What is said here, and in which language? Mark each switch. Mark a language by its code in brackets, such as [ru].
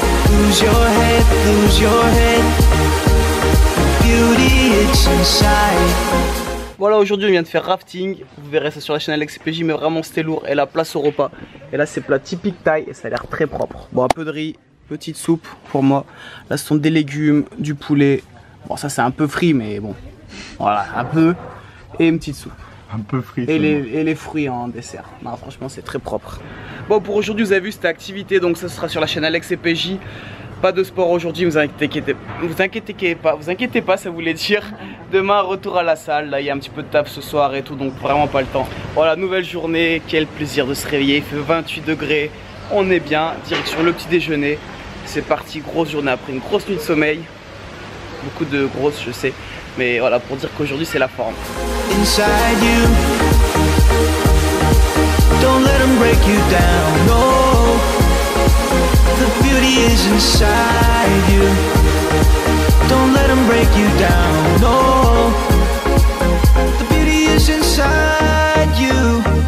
[en] Lose your head, beauty it's inside. [fr] Voilà, aujourd'hui on vient de faire rafting. Vous verrez ça sur la chaîne AlexPJ, mais vraiment c'était lourd. Et la place au repas. Et là c'est plat typique Thaï et ça a l'air très propre. Bon, un peu de riz, petite soupe pour moi. Là ce sont des légumes, du poulet. Bon, ça c'est un peu frit, mais bon. Voilà, un peu. Et une petite soupe. Un peu frit. Et les fruits en dessert. Non, franchement, c'est très propre. Bon, pour aujourd'hui, vous avez vu cette activité. Donc, ça sera sur la chaîne Alex et PJ. Pas de sport aujourd'hui. Vous inquiétez pas, ça voulait dire. Demain, retour à la salle. Là, il y a un petit peu de taf ce soir et tout. Donc, vraiment pas le temps. Voilà, nouvelle journée. Quel plaisir de se réveiller. Il fait 28 degrés. On est bien. Direction le petit déjeuner. C'est parti. Grosse journée après une grosse nuit de sommeil. Beaucoup de grosses, je sais. Mais voilà, pour dire qu'aujourd'hui, c'est la forme. [en] Inside you, don't let them break you down. No, the beauty is inside you. Don't let them break you down. No, the beauty is inside you.